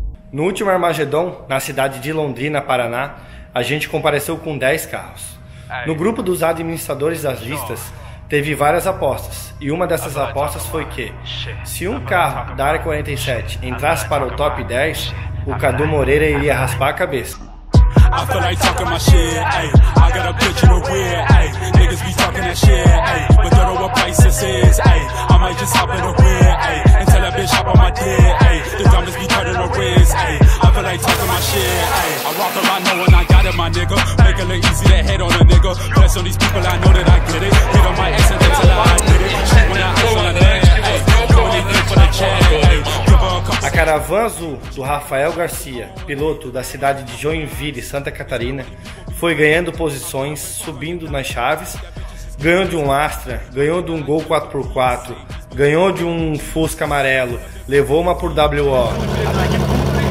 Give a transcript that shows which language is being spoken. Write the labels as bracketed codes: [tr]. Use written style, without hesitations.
[pt] No último Armagedon, na cidade de Londrina, Paraná, a gente compareceu com 10 carros. No grupo dos administradores das listas, teve várias apostas, e uma dessas apostas foi que, se um carro da Área 47 entrasse para o top 10, o Cadu Moreira iria raspar a cabeça. [en] I feel like talking my shit, ayy. I got a bitch in the rear, ayy. Niggas be talking that shit, ayy. But don't know what price this is, ayy. I might just hop in the rear, ayy. And tell that bitch hop on my dick, ayy. The diamonds be turning the wrist, ayy. I feel like talking my shit, ayy. I walk the line knowing I got it, my nigga. Make it look easy to hate on a nigga. Bless on these people, I know that I get it. Hit on my ass and then tell her I did it. Shoot when I hit on the neck, ayy. Going in for the check, ayy. [pt] A caravana azul do Rafael Garcia, piloto da cidade de Joinville, Santa Catarina, foi ganhando posições, subindo nas chaves, ganhou de um Astra, ganhou de um Gol 4x4, ganhou de um Fusca amarelo, levou uma por WO.